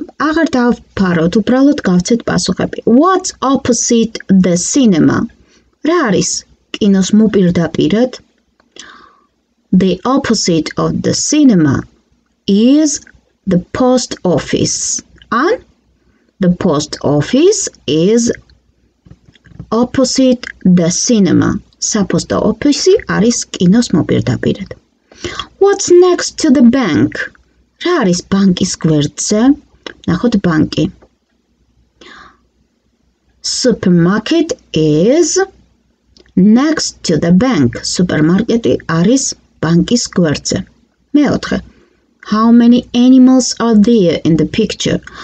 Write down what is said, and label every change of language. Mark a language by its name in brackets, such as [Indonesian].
[Georgian] Агар დავფაროთ, უბრალოდ გავცეთ პასუხები. [English] What's opposite the cinema? [Georgian] Რა არის კინოს მოპირდაპირედ? [English] The opposite of the cinema is the post office. And the post office is opposite the cinema. [Georgian] საპოსტო ოფისი არის კინოს მოპირდაპირედ. [English] What's next to the bank? [Georgian] რა არის ბანკის გვერდზე? ნახოთ ბანკი. [English] Supermarket is next to the bank. [Georgian] Супермаркеტი არის ბანკის გვერდზე. მეოთხე. [English] How many animals are there in the picture?